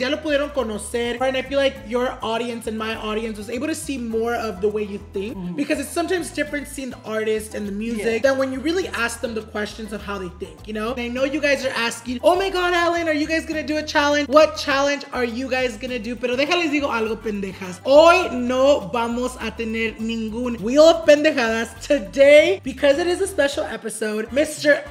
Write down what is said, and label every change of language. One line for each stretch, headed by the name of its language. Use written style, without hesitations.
Spanish: Ya lo pudieron conocer.
English: And I feel like your audience and my audience was able to see more of the way you think. Mm-hmm. Because it's sometimes different seeing the artist and the music than when you really ask them the questions of how they think, you know? And I know you guys are asking, oh my God, Alan, are you guys gonna do a challenge? What challenge are you guys gonna do?
Spanish: Pero déjales digo algo, pendejas. Hoy no vamos a tener ningún Wheel of Pendejadas.
English: Today, because it is a special episode, Mr.